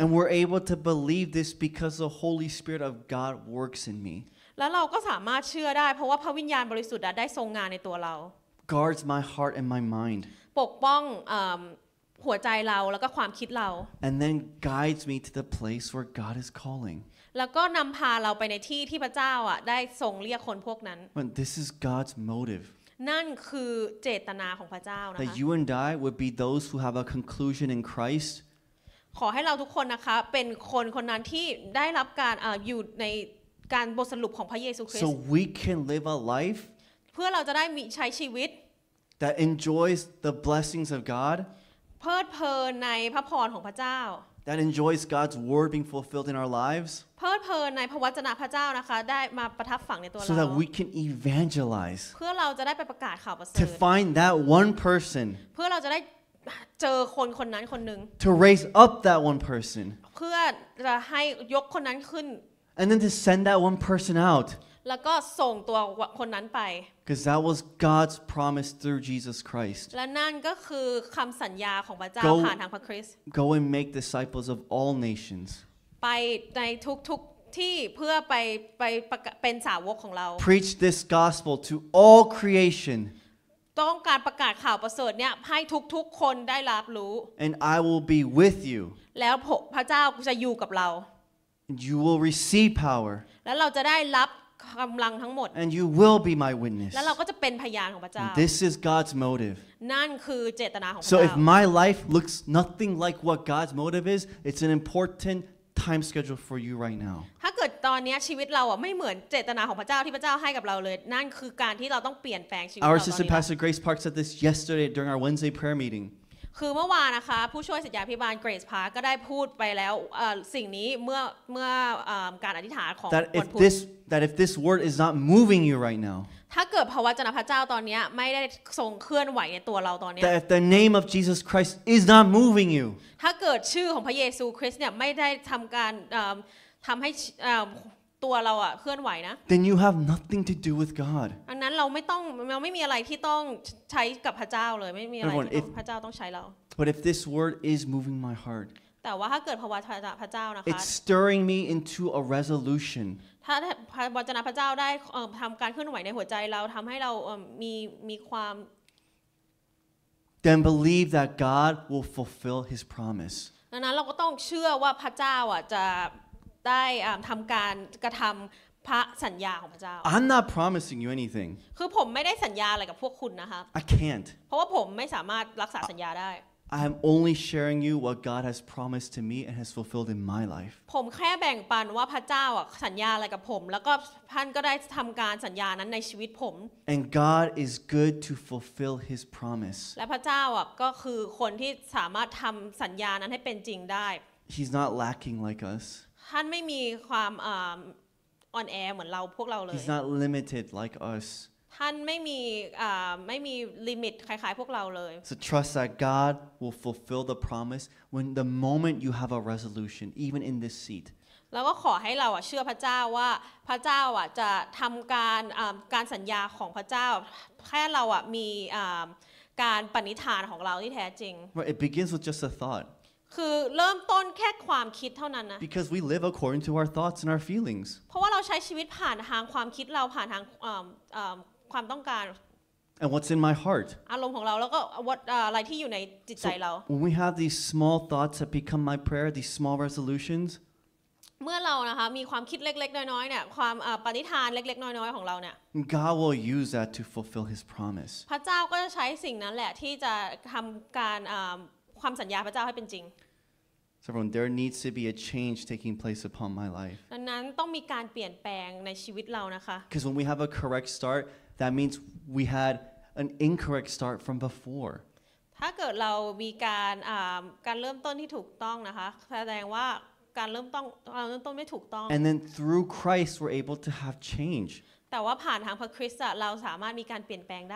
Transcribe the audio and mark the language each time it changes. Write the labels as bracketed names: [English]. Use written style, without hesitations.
[English] And we're able to believe this because the Holy Spirit of God works in me. [Thai] แล้วเราก็สามารถเชื่อได้เพราะว่าพระวิญญาณบริสุทธิ์ได้ทรงงานในตัวเรา [English] Guards my heart and my mind [Thai] ปกป้องหัวใจเราแล้วก็ความคิดเรา [English] And then guides me to the place where God is calling [Thai] แล้วก็นำพาเราไปในที่ที่พระเจ้าได้ทรงเรียกคนพวกนั้น [English] But this is God's motive [Thai] นั่นคือเจตนาของพระเจ้านะคะ [English] That you and I would be those who have a conclusion in Christ [Thai] ขอให้เราทุกคนนะคะเป็นคนคนนั้นที่ได้รับการอยู่ในการบทสรุปของพระเยซูคริสต์ [English] So we can live a life [Thai] เพื่อเราจะได้มีใช้ชีวิต [English] that enjoys the blessings of God [Thai] เพลิดเพลินในพระพรของพระเจ้า [English] that enjoys God's word being fulfilled in our lives [Thai] เพลิดเพลินในพระวจนะพระเจ้านะคะได้มาประทับฝังในตัวเรา [English] so that we can evangelize [Thai] เพื่อเราจะได้ไปประกาศข่าวประเสริฐ [English] to find that one person [Thai] เพื่อเราจะได้เจอคนคนนั้นคนนึง [English] to raise up that one person [Thai] เพื่อจะให้ยกคนนั้นขึ้น [English] And then to send that one person out. [Thai] แล้วก็ส่งตัวคนนั้นไป [English] Because that was God's promise through Jesus Christ. [Thai] และนั่นก็คือคำสัญญาของพระเจ้าผ่านทางพระคริสต์ [English] Go and make disciples of all nations. [Thai] ไปในทุกๆที่เพื่อไปเป็นสาวกของเรา [English] Preach this gospel to all creation. [Thai] ต้องการประกาศข่าวประเสริฐเนี่ยให้ทุกๆคนได้รับรู้ [English] And I will be with you. [Thai] แล้วพระเจ้าจะอยู่กับเรา [English] You will receive power. [Thai] แล้วเราจะได้รับกำลังทั้งหมด [English] And you will be my witness. [Thai] แล้วเราก็จะเป็นพยานของพระเจ้า [English] This is God's motive. [Thai] นั่นคือเจตนาของพระเจ้า [English] So if my life looks nothing like what God's motive is, it's an important time schedule for you right now. [Thai] ถ้าเกิดตอนนี้ชีวิตเราอ่ะไม่เหมือนเจตนาของพระเจ้าที่พระเจ้าให้กับเราเลยนั่นคือการที่เราต้องเปลี่ยนแปลงชีวิต ของเรา [English] Our assistant pastor Grace Park said this yesterday during our Wednesday prayer meeting. [Thai] คือเมื่อวานนะคะผู้ช่วยศิษยาภิบาลเกรซพาร์คก็ได้พูดไปแล้วสิ่งนี้เมื่อการอธิษฐานของคนพูด [English] that if this word is not moving you right now [Thai] ถ้าเกิดพระวจนะพระเจ้าตอนนี้ไม่ได้ทรงเคลื่อนไหวในตัวเราตอนนี้ [English] that if the name of Jesus Christ is not moving you [Thai] ถ้าเกิดชื่อของพระเยซูคริสต์เนี่ยไม่ได้ทำการทำให้ตัวเราเคลื่อนไหวนะ [English] then you have nothing to do with God [Thai] อันนั้นเราไม่มีอะไรที่ต้องใช้กับพระเจ้าเลยไม่มีอะไรที่พระเจ้าต้องใช้เรา [English] but if this word is moving my heart [Thai] แต่ว่าถ้าเกิดพระวจนะพระเจ้านะคะ [English] it's stirring me into a resolution [Thai] ถ้าพระวจนะพระเจ้าได้ทำการเคลื่อนไหวในหัวใจเราทำให้เรามีความ [English] then believe that God will fulfill His promise [Thai] ดังนั้นเราก็ต้องเชื่อว่าพระเจ้าจะได้ทำการกระทำพระสัญญาของพระเจ้า [English] I'm not promising you anything [Thai] คือผมไม่ได้สัญญาอะไรกับพวกคุณนะคะ [English] I can't [Thai] เพราะว่าผมไม่สามารถรักษาสัญญาได้ [English] I'm only sharing you what God has promised to me and has fulfilled in my life [Thai] ผมแค่แบ่งปันว่าพระเจ้าสัญญาอะไรกับผมแล้วก็ท่านก็ได้ทำการสัญญานั้นในชีวิตผม [English] And God is good to fulfill His promise [Thai] และพระเจ้าก็คือคนที่สามารถทำสัญญานั้นให้เป็นจริงได้ [English] He's not lacking like us [Thai] ท่านไม่มีความออนแอร์เหมือนเราพวกเราเลย [English] He's not limited like us [Thai] ท่านไม่มีลิมิตคล้ายๆพวกเราเลย [English] So trust that God will fulfill the promise when the moment you have a resolution even in this seat [Thai] แล้วก็ขอให้เราเชื่อพระเจ้าว่าพระเจ้าจะทำการการสัญญาของพระเจ้าแค่เรามีการปณิธานของเราที่แท้จริง [English] Right, it begins with just a thought [Thai] คือเริ่มต้นแค่ความคิดเท่านั้นนะ [English] Because we live according to our thoughts and our feelings [Thai] เพราะว่าเราใช้ชีวิตผ่านทางความคิดเราผ่านทางความต้องการ [English] And what's in my heart [Thai] อารมณ์ของเราแล้วก็ what อะไรที่อยู่ในจิตใจเรา [English] When we have these small thoughts that become my prayer these small resolutions [Thai] เมื่อเรานะคะมีความคิดเล็กๆน้อยๆเนี่ยความปณิธานเล็กๆน้อยๆของเราเนี่ย [English] God will use that to fulfill His promise [Thai] พระเจ้าก็จะใช้สิ่งนั้นแหละที่จะทำการความสัญญาพระเจ้าให้เป็นจริง [English] So everyone, there needs to be a change taking place upon my life. [Thai] ดังนั้นต้องมีการเปลี่ยนแปลงในชีวิตเรานะคะ [English] Because when we have a correct start, that means we had an incorrect start from before. [Thai] ถ้าเกิดเรามีการการเริ่มต้นที่ถูกต้องนะคะแสดงว่าการเริ่มต้นไม่ถูกต้อง [English] And then through Christ we're able to have change [Thai] แต่ว่าผ่านทางพระคริสต์เราสามารถมีการเปลี่ยนแปลงได